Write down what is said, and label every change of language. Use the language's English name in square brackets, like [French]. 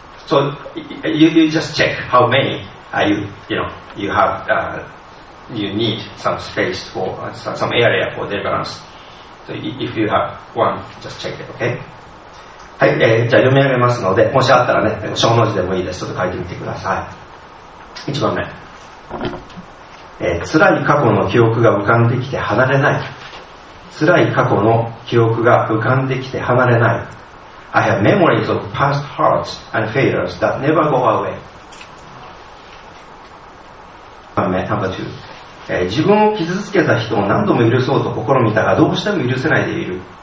[English] So you just check how many you have you need some space for some area for deliverance. So if you have one, just check it, okay? [Japanese] はい、じゃあ読み上げますので、もしあったらね、小文字でもいいです。ちょっと書いてみてください。1番目、辛い過去の記憶が浮かんできて離れない。辛い過去の記憶が浮かんできて離れない。 [English] I have memories of past hurts and failures that never go away. [Japanese] 2番目、自分を傷つけた人を何度も許そうと試みたが、どうしても許せないでいる。